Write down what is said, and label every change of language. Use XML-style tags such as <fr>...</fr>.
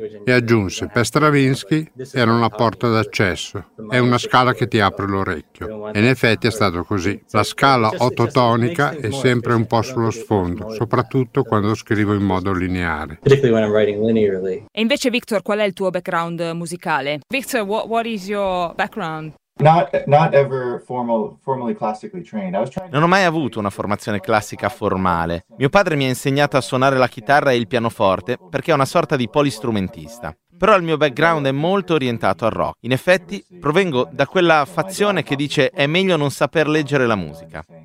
<it>E aggiunse, per Stravinsky era una porta d'accesso, è una scala che ti apre l'orecchio. E in effetti è stato così. La scala ottotonica è sempre un po' sullo sfondo, soprattutto quando scrivo in modo lineare. E invece, Victor, qual è il tuo background musicale?</it> <en>Victor, what is your background?</en> <it>Non ho mai avuto una formazione classica formale. Mio padre mi ha insegnato a suonare la chitarra e il pianoforte perché è una sorta di polistrumentista. Però il mio background è molto orientato al rock. In effetti, provengo da quella fazione che dice è meglio non saper leggere la musica.</it>